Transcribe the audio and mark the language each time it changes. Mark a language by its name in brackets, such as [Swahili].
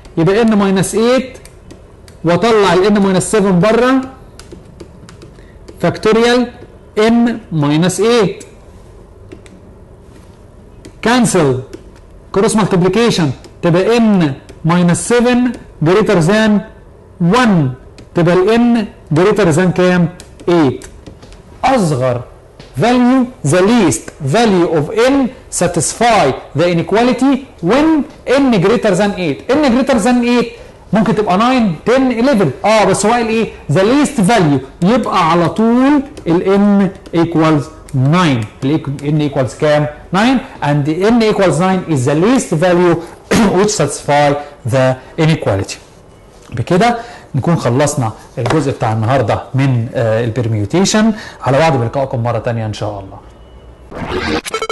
[Arabic] يبقى ان ماينس 8 واطلع الان ماينس 7 بره فاكتوريال ان ماينس 8 [English] cancel cross multiplication [Arabic] تبقى [English] n minus 7 greater than 1 [Arabic] تبقى [English] n greater than [Arabic] كام؟ 8. [English] اصغر value the least value of n satisfy the inequality when n greater than 8. n greater than 8 [Arabic] ممكن تبقى 9 10 11 بس هو قال ايه؟ [English] the least value. [Arabic] يبقى على طول ال [English] n equals [Arabic] 9. [English] n equals [Arabic] كام؟ [English] 9. and n equals 9 is the least value which satisfy the inequality. [Arabic] بكده نكون خلصنا الجزء بتاع النهاردة من البرميوتيشن. على وعد بلقائكم مرة تانية ان شاء الله.